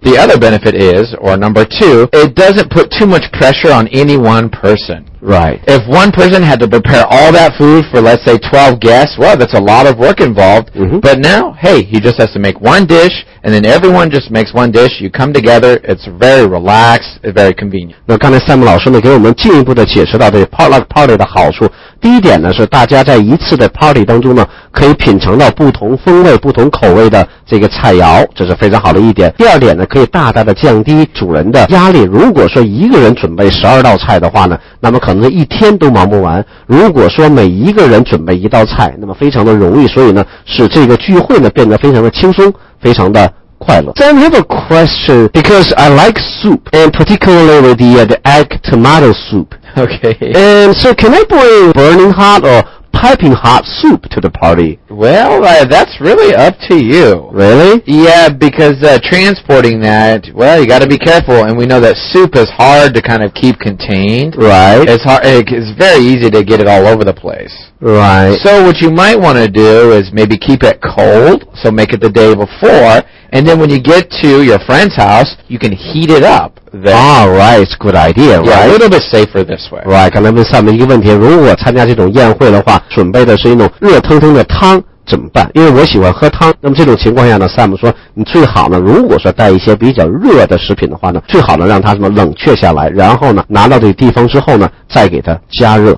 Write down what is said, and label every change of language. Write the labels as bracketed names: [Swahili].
[English] The other benefit is, or number two, it doesn't put too much pressure on any one person. Right. If one person had to prepare all that food for, let's say, 12 guests, well, that's a lot of work involved. Mm-hmm. But now, hey, he just has to make one dish, and then everyone just makes one dish. You come together, it's very relaxed, very convenient. [Chinese] 那刚才 Sam 老师呢给我们进一步的解释到这 potluck party 的好处。第一点呢是大家在一次的 party 当中呢可以品尝到不同风味不同口味的这个菜肴，这是非常好的一点。第二点呢可以大大的降低主人的压力，如果说一个人准备12道菜的话呢，那么可能一天都忙不完，如果说每一个人准备一道菜，那么非常的容易，所以呢使这个聚会呢变得非常的轻松非常的快乐。 [English] Sam, I have a question, because I like soup, and particularly with the egg tomato soup. Okay. And so can I bring burning hot or piping hot soup to the party? Well, that's really up to you. Really? Yeah, because transporting that, well, you got to be careful, and we know that soup is hard to kind of keep contained. Right. It's hard, it's very easy to get it all over the place. Right. So what you might want to do is maybe keep it cold, so make it the day before, and then when you get to your friend's house, you can heat it up. Alright, it's a good idea, right? Yeah, a little bit safer this way. [Chinese] Right, 刚才问上面一个问题，如果参加这种宴会的话，准备的是一种热腾腾的汤怎么办？因为我喜欢喝汤。那么这种情况下呢 ，Sam 说，你最好呢，如果说带一些比较热的食品的话呢，最好呢让它什么冷却下来，然后呢拿到这个地方之后呢，再给它加热。